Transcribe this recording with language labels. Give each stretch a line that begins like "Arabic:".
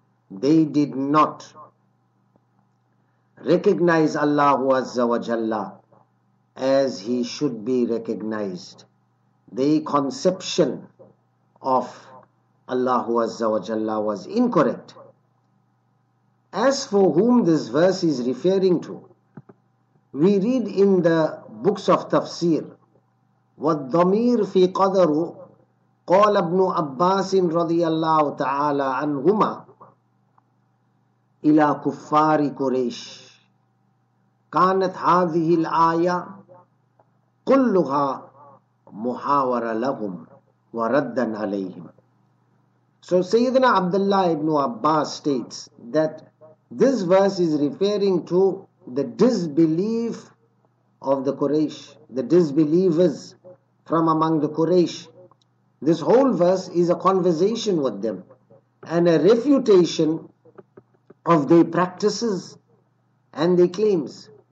English: They did not recognize Allahu Azza wa Jalla as he should be recognized. The conception of Allahu Azza wa Jalla was incorrect. As for whom this verse is referring to, we read in the books of tafsir,
Arabic: والضمير في قدره قال ابن عباس رضي الله تعالى عنهما إلى كفار قريش كانت هذه الآية كلها محاورة لهم. وَرَدَّنْ عَلَيْهِمْ.
English: So Sayyidina Abdullah ibn Abbas states that this verse is referring to the disbelief of the Quraysh, the disbelievers from among the Quraysh. This whole verse is a conversation with them and a refutation of their practices and their claims.